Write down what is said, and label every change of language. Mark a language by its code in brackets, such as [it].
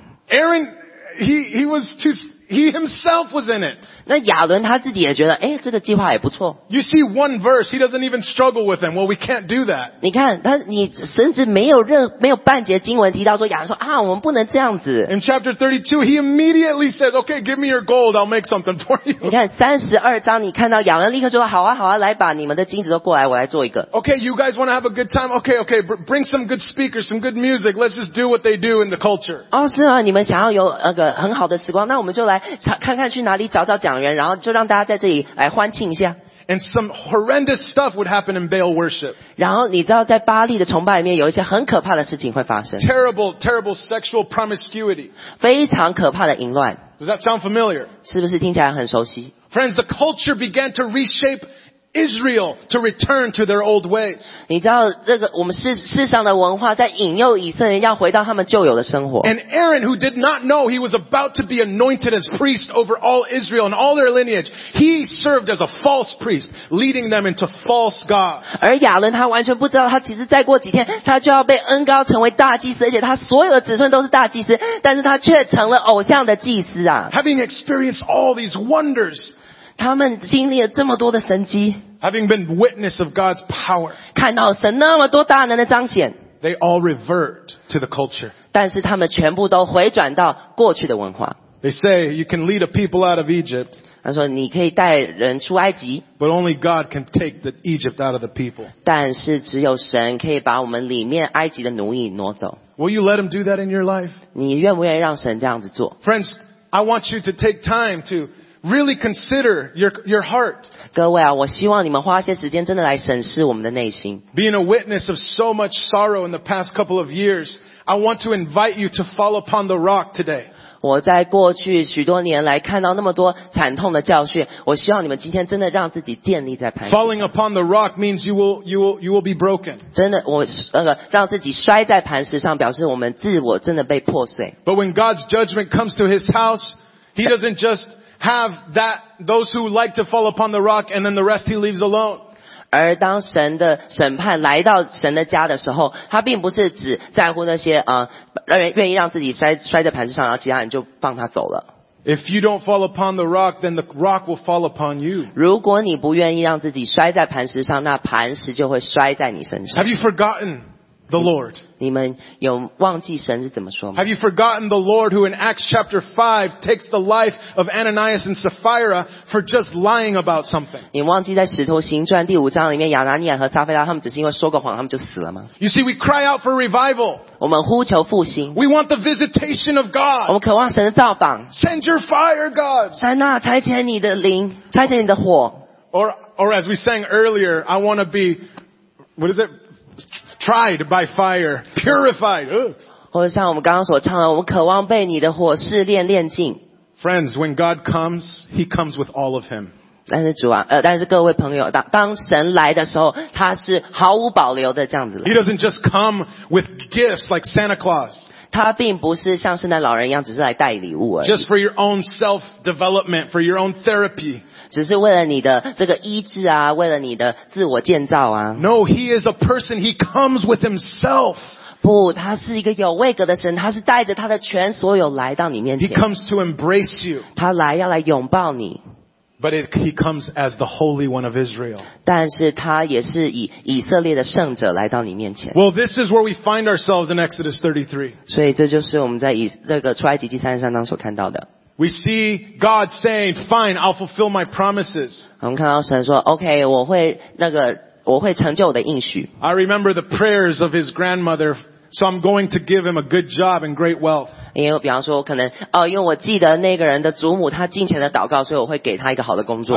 [en] Aaron, he himself was in it. [zh] 那亚伦他自己也觉得诶这个计划也不错。 [en] You see one verse, he doesn't even struggle with them. Well, we can't do that. [zh] 你看他你甚至没有半节经文提到说亚伦说啊我们不能这样子。 [en] In chapter 32, he immediately says, okay, give me your gold, I'll make something for you. [zh] 你看32章你看到亚伦立刻就说好啊好啊来把你们的金子都过来我来做一个。 [en] Okay, you guys want to have a good time? Okay, bring some good speakers, some good music, let's just do what they do in the culture. [zh] 哦是啊你们想要有那个很好的时光那我们就来看看去哪里找找讲员然后就让大家在这里来欢庆一下 [en] And some horrendous stuff would happen in Baal worship. [zh] 然后你知道在巴利的崇拜里面有一些很可怕的事情会发生 [en] Terrible sexual promiscuity. [zh] 非常可怕的淫乱 [en] Does that sound familiar? [zh] 是不是听起来很熟悉 [en] Friends, the culture began to reshapeIsrael to return to their old ways. [zh] 你知道这个我们世上的文化在引诱以色列人要回到他们旧有的生活。 [en] And Aaron, who did not know he was about to be anointed as priest over all Israel and all their lineage, he served as a false priest, leading them into false gods. [zh] 而亚伦他完全不知道，他其实再过几天他就要被恩膏成为大祭司，而且他所有的子孙都是大祭司，但是他却成了偶像的祭司啊。 [en] Having experienced all these wonders. [zh] 他们经历了这么多的神迹 [en] Having been witness of God's power, [zh] 看到神那么多大能的彰显 [en] they all revert to the culture. [zh] 但是他们全部都回转到过去的文化 [en] They say you can lead a people out of Egypt, [zh] 他说你可以带人出埃及 [en] but only God can take the Egypt out of the people. [zh] 但是只有神可以把我们里面埃及的奴役挪走 [en] Will you let him do that in your life? [zh] 你愿不愿意让神这样子做 [en] Friends, I want you to take time toReally consider your heart. [zh] 各位啊，我希望你们花些时间真的来审视我们的内心。 [en] Being a witness of so much sorrow in the past couple of years, I want to invite you to fall upon the rock today. [zh] 我在过去许多年来看到那么多惨痛的教训，我希望你们今天真的让自己建立在磐石。 [en] Falling upon the rock means you will be broken. [zh] 真的，我让自己摔在磐石上，表示我们自我真的被破碎。 [en] But when God's judgment comes to His house, He doesn't justHave that those who like to fall upon the rock, and then the rest he leaves alone. [zh] 而当神的审判来到神的家的时候，他并不是只在乎那些愿意让自己摔在磐石上，然后其他人就放他走了。 [en] If you don't fall upon the rock, then the rock will fall upon you. [zh] 如果你不愿意让自己摔在磐石上，那磐石就会摔在你身上。 [en] Have you forgotten the Lord? [zh] 你们有忘记神是怎么说吗? [en] Have you forgotten the Lord who in Acts chapter 5 takes the life of Ananias and Sapphira for just lying about something? [zh] 你忘记在使徒行传第五章里面亚拿尼亚和撒菲拉他们只是因为说个谎他们就死了吗? [en] You see, we cry out for revival. [zh] 我们呼求复兴。 [en] We want the visitation of God. [zh] 我们渴望神的造访。 [en] Send your fire, God. [zh] 神啊，差遣你的灵，差遣你的火。 [en] Or as we sang earlier, I want to be, what is it? Tried by fire, purified. [zh] 或者像我们刚刚所唱的，我们渴望被你的火试炼炼净。 [en] Friends, when God comes, He comes with all of Him. [zh] 但是主啊，但是各位朋友，当神来的时候，他是毫无保留的这样子。 [en] He doesn't just come with gifts like Santa Claus. [zh] 他并不是像圣诞老人一样，只是来带礼物而已。 [en] Just for your own self-development, for your own therapy. [zh] 只是为了你的这个医治啊，为了你的自我建造啊。 [en] No, he is a person. He comes with himself. [zh] 不，他是一个有位格的神，他是带着他的全所有来到你面前。 [en] He comes to embrace you. [zh] 他来要来拥抱你。 [en] But he comes as the Holy One of Israel. [zh] 但是他也是以以色列的圣者来到你面前。 [en] Well, this is where we find ourselves in Exodus 33. [zh] 所以这就是我们在以这个出埃及记33章所看到的。 [en] We see God saying, "Fine, I'll fulfill my promises." [zh] 我们看到神说 ，Okay, 我会那个，我会成就我的应许。 [en] I remember the prayers of his grandmother So I'm going to give him a good job and great wealth. [zh] 因为我记得那个人的祖母他进前的祷告，所以我会给他一个好的工作。